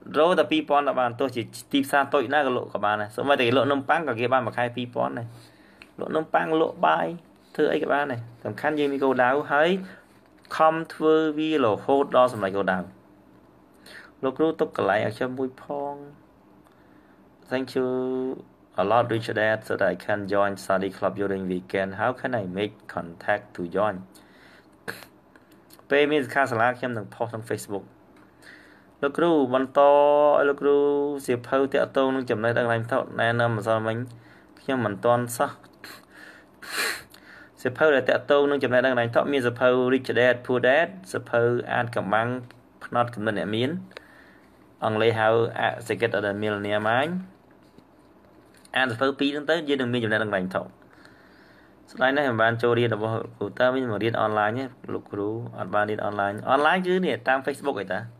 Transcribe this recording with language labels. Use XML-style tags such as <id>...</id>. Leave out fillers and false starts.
<km>កតែ2,000ដល់បានទោះជាទីផ្សារតូចណាក៏លក់ក៏បានដែរសូម្បីតែលក់នំប៉័ងក៏គេបានមួយខែ2,000ដែរលក់នំប៉័ងលក់បាយធ្វើអីក៏បានដែរសំខាន់យើងមានគោលដៅហើយខំធ្វើវារហូតដល់សម្រេចគោលដៅលោកគ្រូទុកកន្លែងឲ្យខ្ញុំមួយផងស</km> <en>Thank you a lot, Richard, so that I can join study club during weekend. How can I make contact to join?</en> <km>ពេលមានសិក្ខាសាលាខ្ញុំនឹងផុសក្នុង Facebook លោកគ្រូបន្តឲ្យលោកគ្រូសៀវភៅតាក់ទងនឹងចំណេះដឹងឡើងថតណែនាំម្សិលមិញខ្ញុំមិនទាន់សោះ សៀវភៅដែលតាក់ទងនឹងចំណេះដឹងឡើងថតមានសៀវភៅ Rich Dad Poor Dad សៀវភៅអាចកំបាំងផ្នត់គំនិតអ្នកមានអង់គ្លេសហៅ A Secret of the Millionaire Mind អានសៀវភៅពីរហ្នឹងទៅយើងនឹងមានចំណេះដឹងឡើងថតស្ដាយណាស់ខ្ញុំបានចូលរៀនរបស់គ្រូតាមានរៀនអនឡាញលោកគ្រូអត់បានរៀនអនឡាញអនឡាញគឺនេះតាម Facebook ឯតា</km>